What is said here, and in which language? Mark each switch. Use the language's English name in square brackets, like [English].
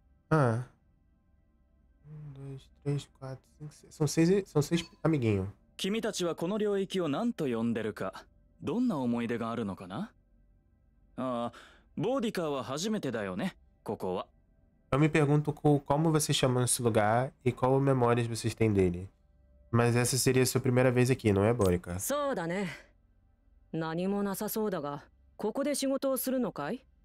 [Portuguese] Ah. Um, dois, três, quatro, cinco, seis. São seis amiguinhos. [Japanese] Kimi tachi wa kono ryōiki o nanto yonderu ka? どんな思い出があるのかな？ああ、ボーディカーは初めてだよね、ここは。 [Portuguese] Eu me pergunto como vocês chamam esse lugar e qual memórias vocês têm dele. Mas essa seria a sua primeira vez aqui, não é, ボーディカー？ [Japanese] そうだね。何もなさそうだが、ここで仕事をするのかい？